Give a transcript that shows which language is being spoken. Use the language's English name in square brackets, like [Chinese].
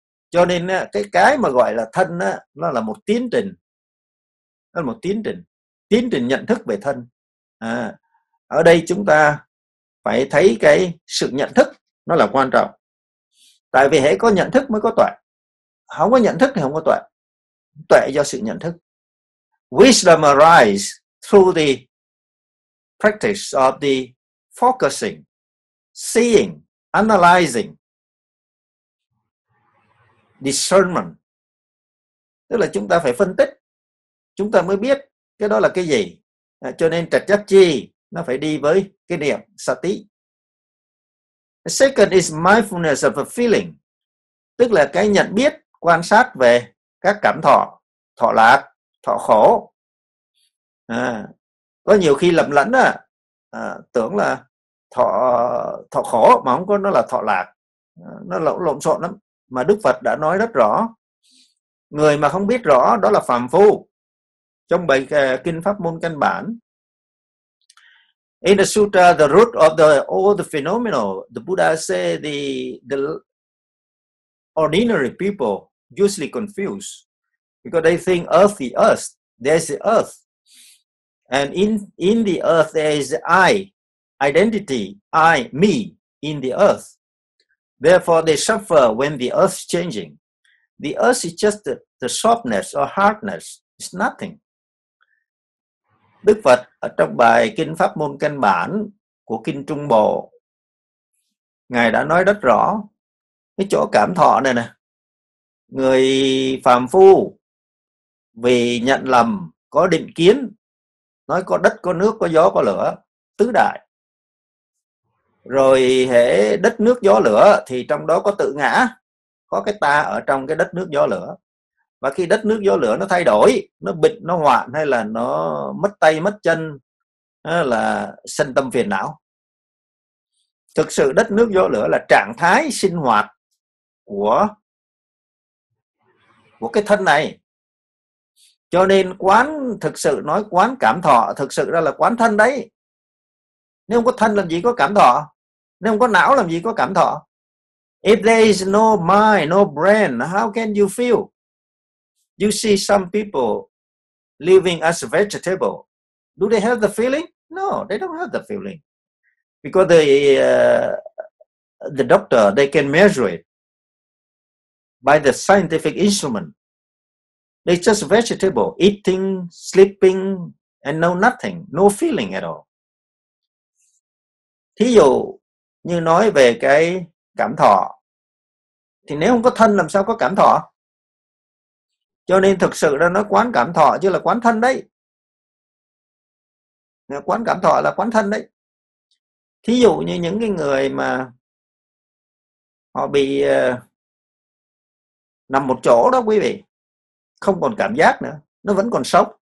[Vietnamese] Cho nên cái mà gọi là thân á, nó là một tiến trình, nó là một tiến trình nhận thức về thân. Ở đây chúng ta phải thấy cái sự nhận thức nó là quan trọng. Tại vì hễ có nhận thức mới có tuệ. Không có nhận thức thì không có tuệ. Tuệ do sự nhận thức. [English] Wisdom arise through the practice of the focusing, seeing, analyzing, discernment. [Vietnamese] Tức là chúng ta phải phân tích, chúng ta mới biết cái đó là cái gì. Cho nên trạch chấp chi nó phải đi với cái niệm sati. [English] The second is mindfulness of a feeling. [Vietnamese] Tức là cái nhận biết, quan sát về các cảm thọ, thọ lạc, thọ khổ. Có nhiều khi lầm lẫn tưởng là thọ khổ mà không có, nó là thọ lạc. Nó lộn xộn lắm. Mà Đức Phật đã nói rất rõ, người mà không biết rõ đó là phàm phu. Trong bài kinh Pháp Môn căn bản, [English] in the sutra the root of the all the phenomena, the Buddha say the ordinary people usually confused because they think earth is us, there's the earth, and in the earth there is I, identity, I, me in the earth. Therefore they suffer when the earth is changing. The earth is just the softness or hardness, it's nothing. [Vietnamese] Đức Phật ở trong bài Kinh Pháp Môn Căn Bản của Kinh Trung Bộ, Ngài đã nói rất rõ cái chỗ cảm thọ này nè. Người phàm phu vì nhận lầm, có định kiến, nói có đất, có nước, có gió, có lửa, tứ đại. Rồi hễ đất, nước, gió, lửa thì trong đó có tự ngã, có cái ta ở trong cái đất, nước, gió, lửa. Và khi đất nước gió lửa nó thay đổi, nó bịt, nó hoạn, hay là nó mất tay, mất chân, là sinh tâm phiền não. Thực sự đất nước gió lửa là trạng thái sinh hoạt của cái thân này. Cho nên quán, thực sự nói quán cảm thọ, thực sự ra là quán thân đấy. Nếu không có thân làm gì có cảm thọ? Nếu không có não làm gì có cảm thọ? [English] If there is no mind, no brain, how can you feel? You see some people living as a vegetable. Do they have the feeling? No, they don't have the feeling. Because the doctor, they can measure it by the scientific instrument. They're just vegetable, eating, sleeping, and know nothing, no feeling at all. [Vietnamese] Thí dụ như nói về cái cảm thọ, thì nếu không có thân làm sao có cảm thọ? Cho nên thực sự ra nó quán cảm thọ chứ là quán thân đấy. Quán cảm thọ là quán thân đấy. Thí dụ như những cái người mà họ bị nằm một chỗ đó quý vị, không còn cảm giác nữa, nó vẫn còn sốc.